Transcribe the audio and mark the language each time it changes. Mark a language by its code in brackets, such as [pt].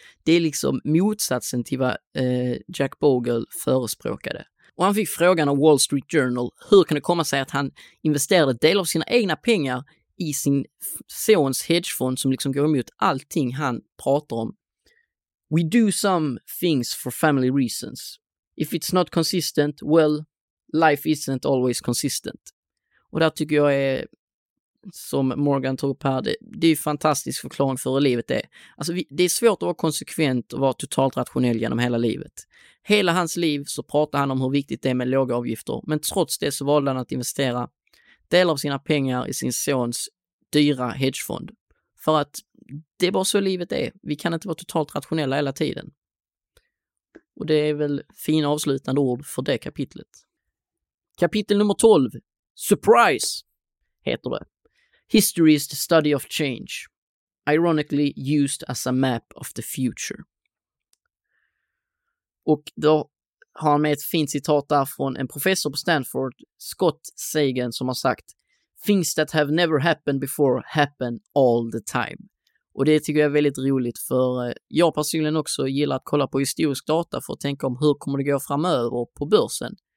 [sv] Det är liksom motsatsen till vad Jack Bogle förespråkade. Och han fick frågan av Wall Street Journal, hur kan det komma sig att han investerade del av sina egna pengar i sin sons hedgefond, som liksom går emot allting han pratar om. [en] We do some things for family reasons. If it's not consistent, well, life isn't always consistent. [sv] Och där tycker jag är, som Morgan tog upp här, det är ju fantastisk förklaring för hur livet är. Alltså det är svårt att vara konsekvent och vara totalt rationell genom hela livet. Hela hans liv så pratar han om hur viktigt det är med låga avgifter, men trots det så valde han att investera del av sina pengar i sin sons dyra hedgefond. För att det är bara så livet är. Vi kan inte vara totalt rationella hela tiden. Och det är väl fina avslutande ord för det kapitlet. Kapitel nummer 12. Surprise! Heter det. [en] History is the study of change, ironically used as a map of the future. [sv] Och då har han med ett fint citat där från en professor på Stanford, Scott Sagan, som har sagt, [en] things that have never happened before happen all the time. [sv] Och det tycker jag är väldigt roligt, för jag personligen också gillar att kolla på historisk data för att tänka om hur kommer det gå framöver på börsen.